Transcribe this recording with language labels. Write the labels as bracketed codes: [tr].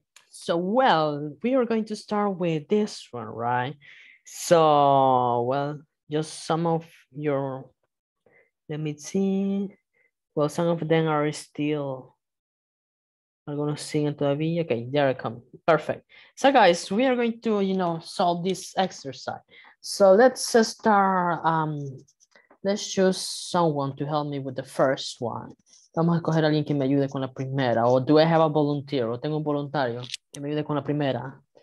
[en] So, well, we are going to start with this one, right? So, well, just some of your, let me see. Well, some of them are still, [es] algunos siguen todavía. [en] Okay, there I come. Perfect. So, guys, we are going to, you know, solve this exercise. So, let's start, let's choose someone to help me with the first one. [es] Vamos a escoger a alguien que me ayude con la primera. [en] Or do I have a volunteer? [es] O tengo un voluntario que me ayude con la primera.